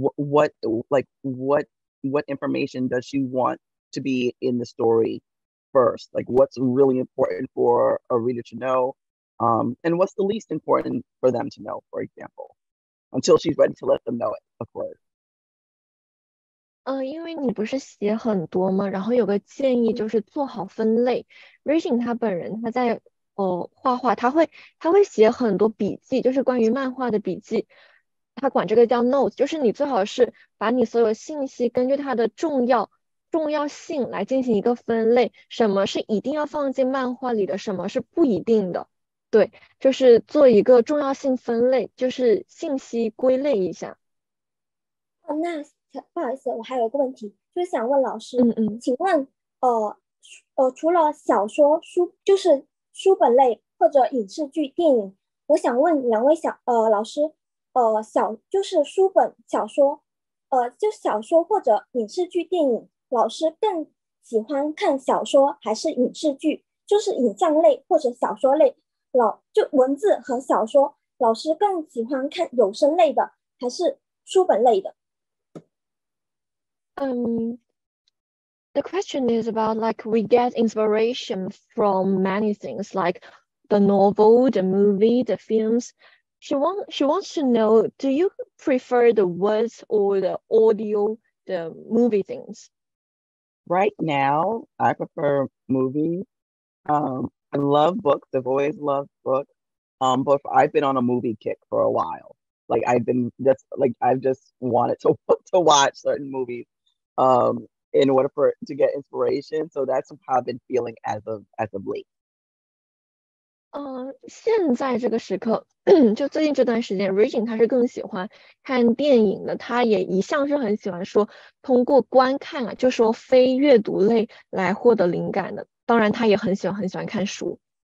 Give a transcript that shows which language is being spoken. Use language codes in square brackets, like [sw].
[en] What information does she want to be in the story first? Like what's really important for a reader to know? And what's the least important for them to know, for example, until she's ready to let them know it, of course. [zh] 因为你不是写很多吗？然后有个建议就是做好分类。Regine 他本人他在画画，他会写很多笔记，就是关于漫画的笔记。他管这个叫 notes， 就是你最好是把你所有信息根据它的重要性来进行一个分类，什么是一定要放进漫画里的，什么是不一定的。对，就是做一个重要性分类，就是信息归类一下。那不好意思，我还有一个问题，就是想问老师，嗯嗯，请问除了小说书，就是书本类或者影视剧电影，我想问两位老师，就是书本小说，就小说或者影视剧电影，老师更喜欢看小说还是影视剧，就是影像类或者小说类，就文字和小说，老师更喜欢看有声类的还是书本类的？ [en] The question is about like we get inspiration from many things like the novel, the movie, the films. She wants to know, do you prefer the words or the audio, the movie things? Right now, I prefer movies. I love books. I've always loved books. But I've been on a movie kick for a while. Like I've just wanted to watch certain movies. In order for to get inspiration, so that's how I've been feeling as of late. [zh] 现在这个时刻，就最近这段时间 ，Regine 他是更喜欢看电影的，他也一向是很喜欢说通过观看啊，就说非阅读类来获得灵感的。当然，他也很喜欢看书。